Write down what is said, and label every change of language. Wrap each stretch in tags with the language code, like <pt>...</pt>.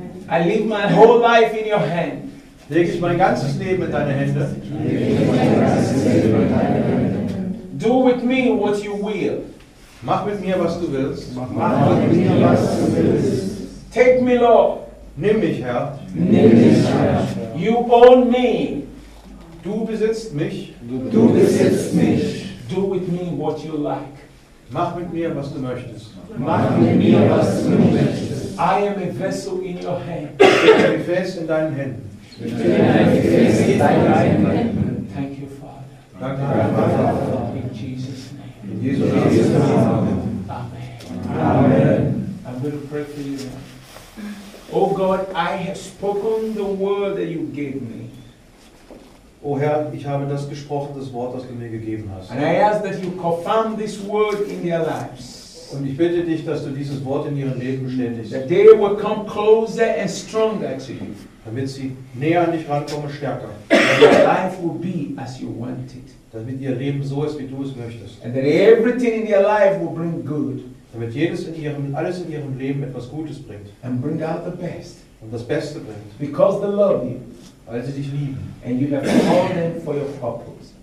<en>I leave my whole life in your hand.</en> <de>Lege ich mein ganzes Leben in deine Hände.</de> <en>Do with me what you will.</en> <de>Mach mit mir, was du willst. Mach mit mir, was du willst.</de> <en>Take me, Lord.</en> <de>Nimm mich, Herr. Nimm mich, Herr.</de> <en>You own me.</en> <de>Du besitzt mich. Du besitzt mich.</de> <en>Do with me what you like.</en> <de>Mach mit mir, was du möchtest. Mach mit mir, was du möchtest.</de> <en>I am a vessel in your hand.</en> <de>Ich bin ein Gefäß in deinen Händen. Ich bin ein Gefäß in deinen Händen.</de> <en>Thank you, Father.</en> <de>Danke, Herr Vater.</de> <en>In Jesus' name. In Jesus' name. Jesus name. Amen. Amen. Amen. I'm going to pray for you now. Oh God, I have spoken the word that you gave me.</en> <de>O Herr, ich habe das gesprochen, das Wort, das du mir gegeben hast.</de> <en>And I ask that you confirm this word in their lives.</en> <de>Und ich bitte dich, dass du dieses Wort in ihren Leben bestätigst.</de> <en>That they will come closer and stronger to you.</en> <de>Damit sie näher an dich rankommen, stärker.</de> <en>And your life will be as you want it.</en> <de>Damit ihr Leben so ist, wie du es möchtest.</de> <en>And that everything in their life will bring good.</en> <de>Damit jedes in ihrem, alles in ihrem Leben etwas Gutes bringt.</de> <en>And bring out the best.</en> <de>Und das Beste bringt.</de> <en>Because they love you.</en> <de>Weil sie dich lieben.</de> <en>And you have called them for your purpose.</en>